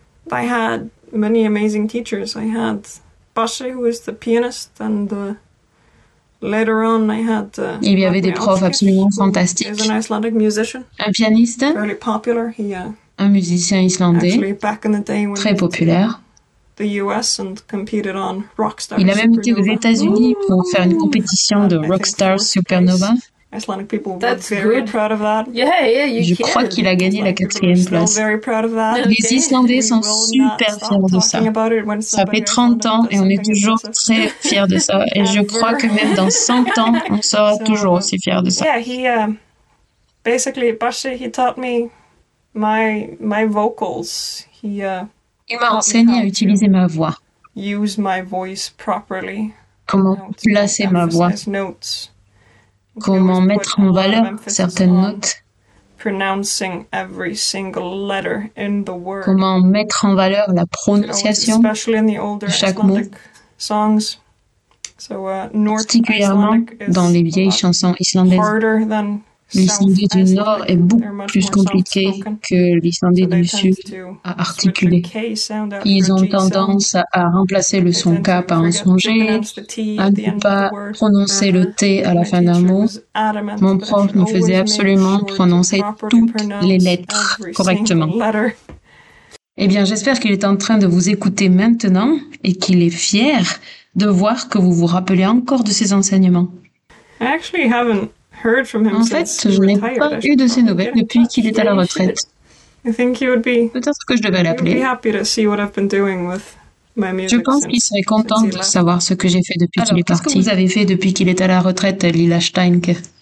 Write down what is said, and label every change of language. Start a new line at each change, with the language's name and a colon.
English: I had many amazing teachers. I had Bashe, who was the pianist, and later on I had.
French: Il y avait des profs absolument fantastiques.
English: An Icelandic musician.
French: Un pianiste.
English: Very popular. He.
French: Un musicien islandais.
English: Actually, back in the day, when
French: très populaire.
English: The U.S. and competed on Rockstar.
French: Il a même été aux États-Unis pour faire une compétition de Rockstar Supernova.
English: Icelandic people were very proud of that. Yeah, you
French: je crois qu'il a gagné la quatrième place. Les Islandais sont super fiers de ça. Ça fait 30 ans et on est toujours très fiers de ça. Et je crois que même dans 100 ans, on sera toujours aussi fiers de ça.
English: Yeah, basically, Bashe, he taught me my vocals.
French: Il m'a enseigné à utiliser ma voix.
English: Use my voice properly.
French: Comment placer ma voix. Comment mettre en valeur certaines notes.
English: Pronouncing every single letter in the word.
French: Comment mettre en valeur la prononciation de chaque mot.
English: Songs.
French: Particulièrement dans les vieilles chansons islandaises. L'Islandais du Nord est beaucoup plus compliqué que l'Islandais du Sud à articuler. Ils ont tendance à remplacer le son K par un son G, à ne pas prononcer le T à la fin d'un mot. Mon prof me faisait absolument prononcer toutes les lettres correctement. Eh bien, j'espère qu'il est en train de vous écouter maintenant et qu'il est fier de voir que vous vous rappelez encore de ses enseignements.
English: I actually haven't heard from him
French: en fait, je n'ai pas eu de ses nouvelles depuis qu'il est à la retraite. Peut-être que je devais l'appeler. Je pense qu'il serait content de savoir ce que j'ai fait depuis qu'il est parti. Qu'est-ce que vous avez fait depuis qu'il est à la retraite, Lila Steinke?